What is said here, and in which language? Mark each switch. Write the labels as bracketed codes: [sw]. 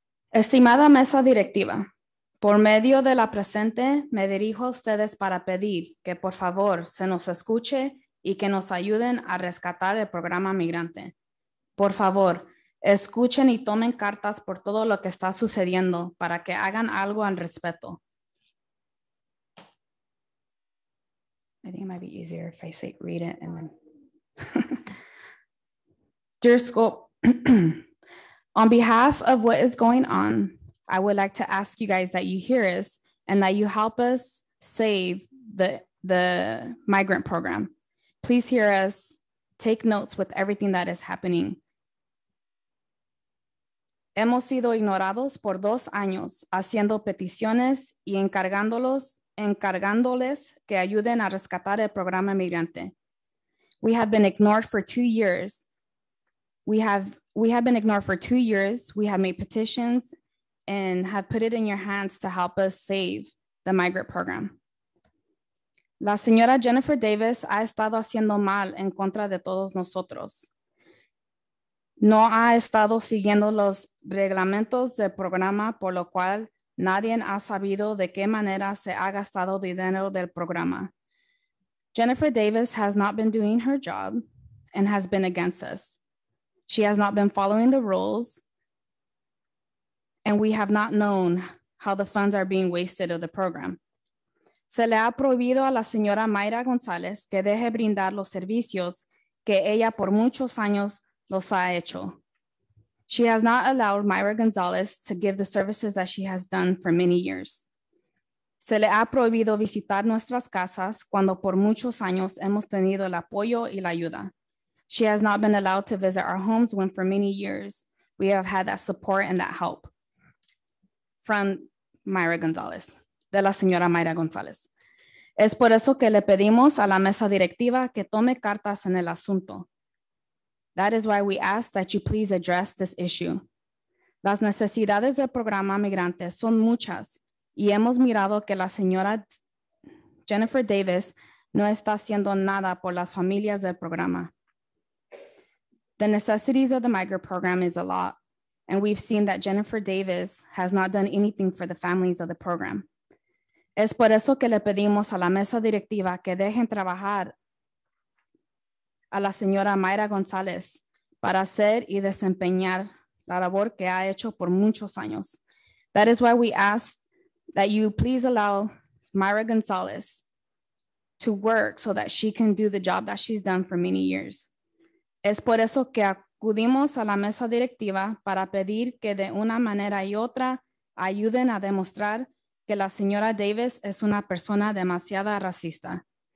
[es] Estimada mesa directiva, por medio de la presente, me dirijo a ustedes para pedir que por favor se nos escuche y que nos ayuden a rescatar el programa migrante. Por favor, escuchen y tomen cartas por todo lo que está sucediendo para que hagan algo al respecto. [en] I think it might be easier if I say read it and then. Dear school, on behalf of what is going on, I would like to ask you guys that you hear us and that you help us save the migrant program. Please hear us, take notes with everything that is happening. [es] Hemos sido ignorados por 2 años haciendo peticiones y encargándoles que ayuden a rescatar el programa migrante. [en] We have been ignored for 2 years. We have been ignored for 2 years. We have made petitions and have put it in your hands to help us save the migrant program. [es] La señora Jennifer Davis ha estado haciendo mal en contra de todos nosotros. No ha estado siguiendo los reglamentos del programa, por lo cual nadie ha sabido de qué manera se ha gastado dinero del programa. [en] Jennifer Davis has not been doing her job and has been against us. She has not been following the rules, and we have not known how the funds are being wasted of the program. [es] Se le ha prohibido a la señora Mayra González que deje brindar los servicios que ella por muchos años los ha hecho. [en] She has not allowed Mayra González to give the services that she has done for many years. [es] Se le ha prohibido visitar nuestras casas cuando por muchos años hemos tenido el apoyo y la ayuda. [en] She has not been allowed to visit our homes when for many years we have had that support and that help. From [es] Mayra Gonzalez, de la señora Mayra Gonzalez. Es por eso que le pedimos a la mesa directiva que tome cartas en el asunto. [en] That is why we ask that you please address this issue. [es] Las necesidades del programa migrante son muchas y hemos mirado que la señora Jennifer Davis no está haciendo nada por las familias del programa. [en] The necessities of the migrant program is a lot, and we've seen that Jennifer Davis has not done anything for the families of the program. [es] Es por eso que le pedimos a la mesa directiva que dejen trabajar a la señora Mayra González para hacer y desempeñar la labor que ha hecho por muchos años. [en] That is why we ask that you please allow Mayra González to work so that she can do the job that she's done for many years. [es] Es por eso que acudimos a la mesa directiva para pedir que de una manera y otra ayuden a demostrar que la señora Davis es una persona demasiado racista.